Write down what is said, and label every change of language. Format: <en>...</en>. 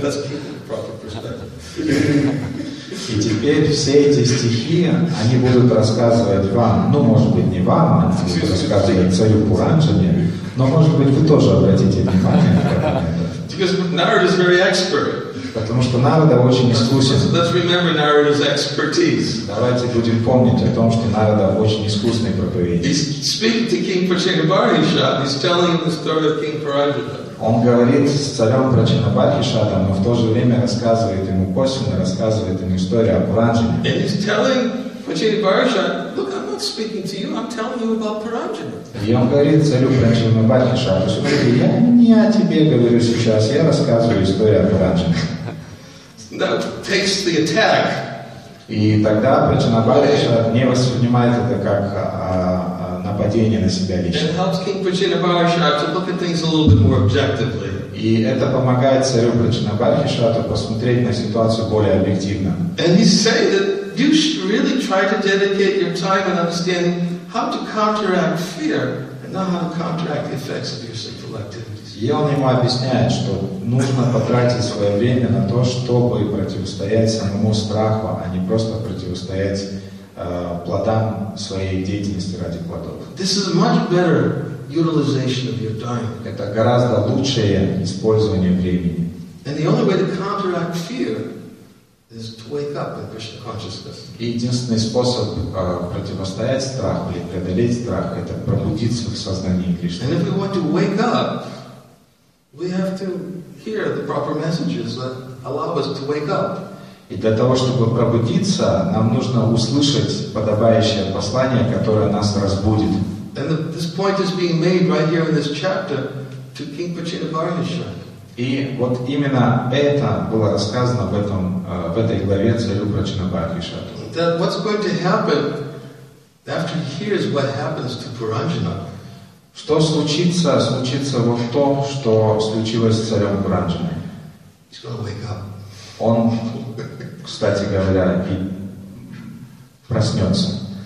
<en>Let's keep the proper perspective.</en> <ru>И теперь все эти стихи, они будут рассказывать вам, ну, может быть, не вам, а будут рассказывать царю Паранджане, но, может быть, вы тоже обратите внимание на это.</ru> <en>Because Narada is very expert.</en> <ru>Потому что Нарада очень искусен.</ru> <en>Let's remember Narada's expertise.</en> <ru>Давайте будем помнить о том, что Нарада очень искусный проповедник.</ru> <en>He's speaking to King Pachina Bharavshad. He's telling the story of King Paranjana.</en> <ru>Он говорит с царем Пачина Бхакишатом, но в то же время рассказывает ему косвенно, рассказывает ему историю о Паранджане.</ru> <en>And he's telling Pachina Bharavshad, look, I'm not speaking to you, I'm telling you about Paranjana.</en> <ru>И он говорит царю Пачина Бхакишату, слушай, я не о тебе говорю сейчас, я рассказываю историю о Паранджане.</ru> <en>Now, takes the attack.</en> <ru>И тогда Пачина Бхакишат не воспринимает это как нападение на себя лично.</ru> <en>It helps King Pachina Bharavshad to look at things a little bit more objectively.</en> <ru>И это помогает царю Пачина Бхакишату посмотреть на ситуацию более объективно.</ru> <en>And he's saying that you should really try to dedicate your time and understanding how to counteract fear and not how to counteract the effects of your sinful activities.</en> <ru>И он ему объясняет, что нужно потратить свое время на то, чтобы противостоять самому страху, а не просто противостоять плодам своей деятельности ради плодов.</ru> <en>This is much better utilization of your time.</en> <ru>Это гораздо лучшее использование времени.</ru> <en>And the only way to counteract fear is to wake up in Krishna consciousness.</en> <ru>И единственный способ противостоять страху или преодолеть страх – это пробудиться в сознании Кришны.</ru> <en>And if we want to wake up, we have to hear the proper messages that allow us to wake up.</en> <ru>И для того, чтобы пробудиться, нам нужно услышать подобающее послание, которое нас разбудит.</ru> <en>And this point is being made right here in this chapter to King Pachina Bharavshad.</en> <ru>И вот именно это было рассказано в этом в этой главе царю Пачина Бхакишату.</ru> <en>That what's going to happen after he hears what happens to Paranjana.</en> <ru>Что случится? Случится вот то, что случилось с царем Паранджаной.</ru> <en>He's going to wake up.</en> <ru>Он, кстати говоря, и проснется.</ru>